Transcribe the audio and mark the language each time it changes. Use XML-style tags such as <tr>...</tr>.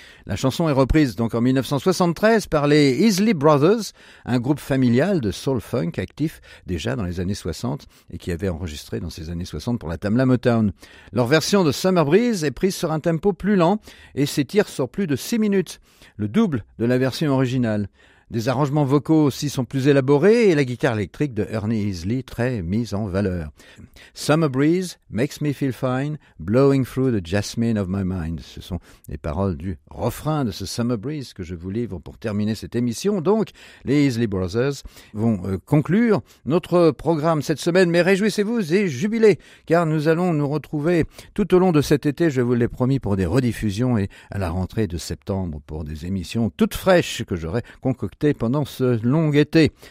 <fr>La chanson est reprise donc en 1973 par les Easley Brothers, un groupe familial de soul funk actif déjà dans les années 60 et qui avait enregistré dans ces années 60 pour la Tamla Motown. Leur version de Summer Breeze est prise sur un tempo plus lent et s'étire sur plus de 6 minutes, le double de la version originale. Des arrangements vocaux aussi sont plus élaborés et la guitare électrique de Ernie Easley très mise en valeur.</fr> <en>Summer breeze makes me feel fine, blowing through the jasmine of my mind.</en> <fr>Ce sont les paroles du refrain de ce Summer breeze que je vous livre pour terminer cette émission. Donc, les Easley Brothers vont conclure notre programme cette semaine. Mais réjouissez-vous et jubilez, car nous allons nous retrouver tout au long de cet été, je vous l'ai promis, pour des rediffusions et à la rentrée de septembre pour des émissions toutes fraîches que j'aurai concoctées pendant ce long été.</fr>